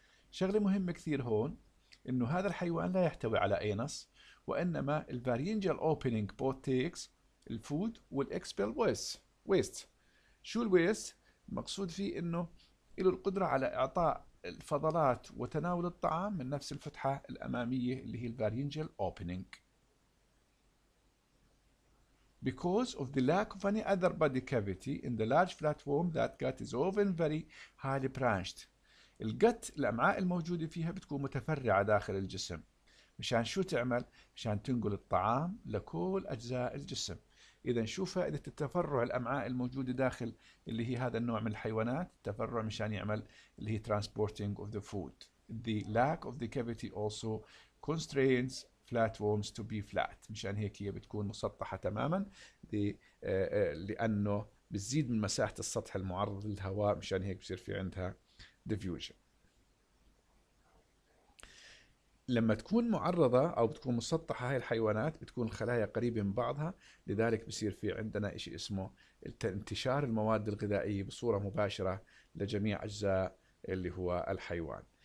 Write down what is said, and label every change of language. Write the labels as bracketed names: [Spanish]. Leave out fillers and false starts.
[Arabic] شغله مهمه كثير هون انه هذا الحيوان لا يحتوي على anus، وانما ال [English] pharyngeal opening both takes [Arabic] الفود والاكسبل ويست. شو الويست؟ المقصود فيه انه له القدره على اعطاء الفضلات وتناول الطعام من نفس الفتحه الاماميه اللي هي الفارينجل اوبننج. [English] Because of the lack of any other body cavity in the large flat womb, that gut is often very highly branched. [Arabic] الجت الامعاء الموجوده فيها بتكون متفرعه داخل الجسم. مشان شو تعمل؟ مشان تنقل الطعام لكل اجزاء الجسم. اذا شو فائده التفرع الامعاء الموجوده داخل اللي هي هذا النوع من الحيوانات؟ التفرع مشان يعمل اللي هي [English] transporting of the food. The lack of the cavity also constrains flatworms to be flat. [Arabic] مشان هيك هي بتكون مسطحه تماما لانه بتزيد من مساحه السطح المعرض للهواء، مشان هيك بصير في عندها diffusion. لما تكون معرضة أو بتكون مسطحة هاي الحيوانات بتكون الخلايا قريبة من بعضها، لذلك بصير في عندنا إشي اسمه انتشار المواد الغذائية بصورة مباشرة لجميع أجزاء اللي هو الحيوان.